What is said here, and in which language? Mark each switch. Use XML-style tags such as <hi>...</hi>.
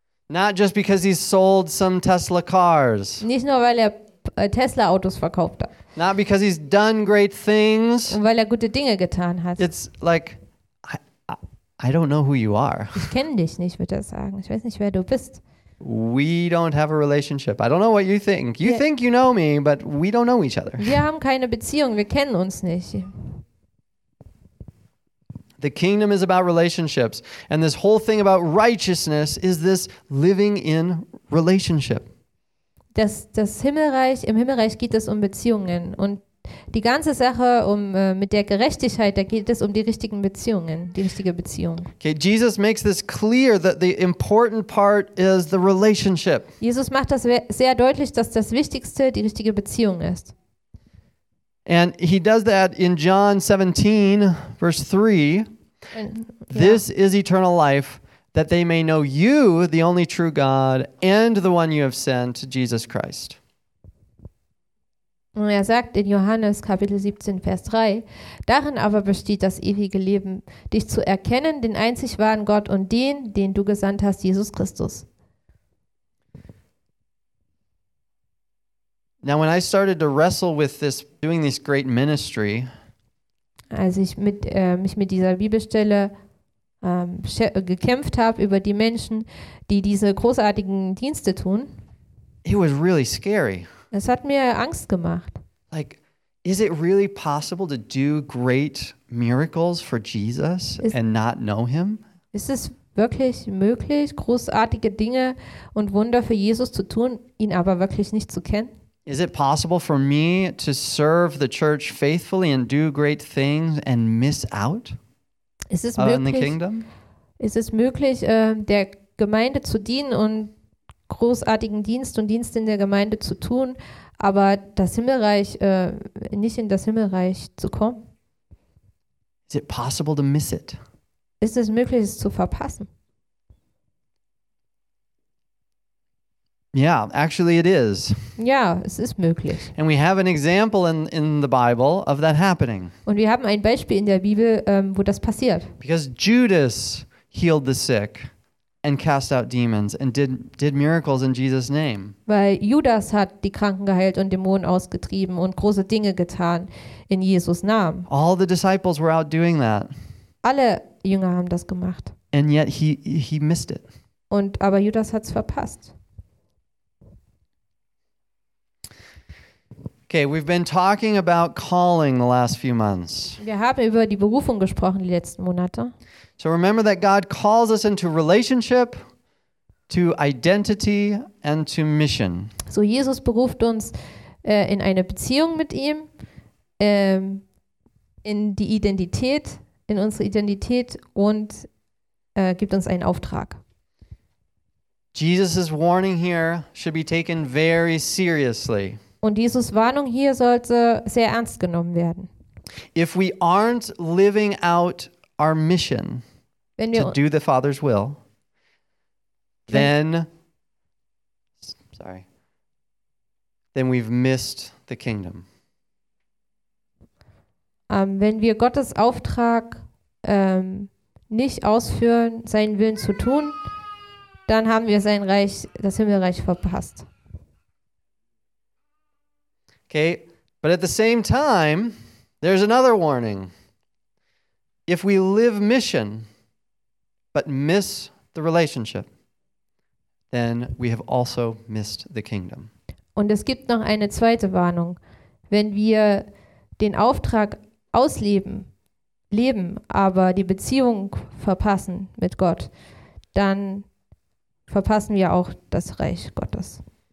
<en>Not just because he sold some Tesla cars.</en> <de>Nicht nur weil er Tesla Autos verkauft hat.</de> <en>Not because he's done great things.</en> <de>Und weil er gute Dinge getan hat.</de> <en>It's like I don't know who you are.</en> <de>Ich kenne dich nicht, würde er sagen. Ich weiß nicht, wer du bist.</de> <en>We don't have a relationship. I don't know what you think. You think you know me, but we don't know each other.</en> <de>Wir haben keine Beziehung, wir kennen uns nicht.</de> <en>The kingdom is about relationships, and this whole thing about righteousness is this living in relationship.</en> <de>Das Himmelreich, im Himmelreich geht es um Beziehungen, und die ganze Sache mit der Gerechtigkeit, da geht es um die richtigen Beziehungen, die richtige Beziehung.</de> <en>Okay, Jesus makes this clear that the important part is the relationship.</en> <de>Jesus macht das sehr deutlich, dass das Wichtigste die richtige Beziehung ist.</de> <en>And he does that in John 17, verse 3. This is eternal life, that they may know you, the only true God, and the one you have sent, Jesus Christ.</en> <de>Und er sagt in Johannes Kapitel 17, Vers 3, darin aber besteht das ewige Leben, dich zu erkennen, den einzig wahren Gott und den, den du gesandt hast, Jesus Christus.</de> <en>Now when I started to wrestle with this, doing this great ministry,</en> <de>als ich mich mit dieser Bibelstelle gekämpft habe über die Menschen, die diese großartigen Dienste tun,</de> <en>it was really scary.</en> <de>Es hat mir Angst gemacht.</de> <en>Like, is it really possible to do great miracles for Jesus and not know him?</en> <de>Ist es wirklich möglich, großartige Dinge und Wunder für Jesus zu tun, ihn aber wirklich nicht zu kennen?</de> <en>Is it possible for me to serve the church faithfully and do great things and miss out on the kingdom?</en> <de>Ist es möglich, der Gemeinde zu dienen und großartigen Dienst und Dienst in der Gemeinde zu tun, aber das Himmelreich nicht in das Himmelreich zu kommen?</de> <en>Is it possible to miss it?</en> <de>Ist es möglich, es zu verpassen?</de> <en>Yeah, actually it is.</en> <de>Ja, es ist möglich.</de> <en>And we have an example in the Bible of that happening.</en> <de>Und wir haben ein Beispiel in der Bibel, wo das passiert.</de> <en>Because Judas healed the sick and cast out demons and did miracles in Jesus' name.</en> <de>Weil Judas hat die Kranken geheilt und Dämonen ausgetrieben und große Dinge getan in Jesus' Namen.</de> <en>All the disciples were out doing that.</en> <de>Alle Jünger haben das gemacht.</de> <en>And yet he missed it.</en> <de>Und aber Judas hat's verpasst.</de> <en>Okay, we've been talking about calling the last few months.</en> <de>Wir haben über die Berufung gesprochen die letzten Monate.</de> <en>So remember that God calls us into relationship, to identity and to mission.</en> <de>So Jesus beruft uns in eine Beziehung mit ihm, in die Identität, in unsere Identität und gibt uns einen Auftrag.</de> <en>Jesus' warning here should be taken very seriously.</en> <de>Und Jesus' Warnung hier sollte sehr ernst genommen werden.</de> <en>If we aren't living out our mission to do the Father's will, then, sorry, then we've missed the kingdom.</en> <de>Wenn wir Gottes Auftrag nicht ausführen, seinen Willen zu tun, dann haben wir sein Reich, das Himmelreich verpasst.</de> <en>Okay, but at the same time, there's another warning. If we live mission, but miss the relationship, then we have also missed the kingdom.</en> <de>Und es gibt noch eine zweite Warnung. Wenn wir den Auftrag ausleben, leben, aber die Beziehung verpassen mit Gott, dann verpassen wir auch das Reich Gottes.</de>